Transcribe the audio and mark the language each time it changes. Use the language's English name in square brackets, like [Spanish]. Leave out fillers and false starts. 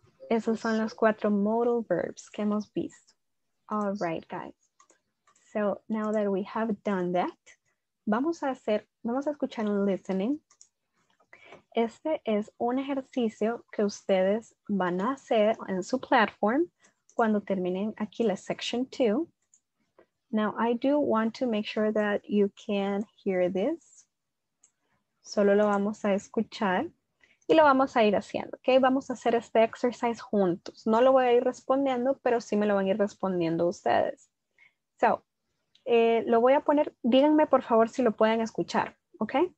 [Spanish] Esos son los cuatro modal verbs que hemos visto. [English] All right, guys. So now that we have done that, [Spanish] vamos a escuchar un listening. Este es un ejercicio que ustedes van a hacer en su platform cuando terminen aquí la section 2. [English] Now, I do want to make sure that you can hear this. [Spanish] Solo lo vamos a escuchar y lo vamos a ir haciendo, ¿ok? Vamos a hacer este exercise juntos. No lo voy a ir respondiendo, pero sí me lo van a ir respondiendo ustedes. So, lo voy a poner, díganme por favor si lo pueden escuchar, ¿ok?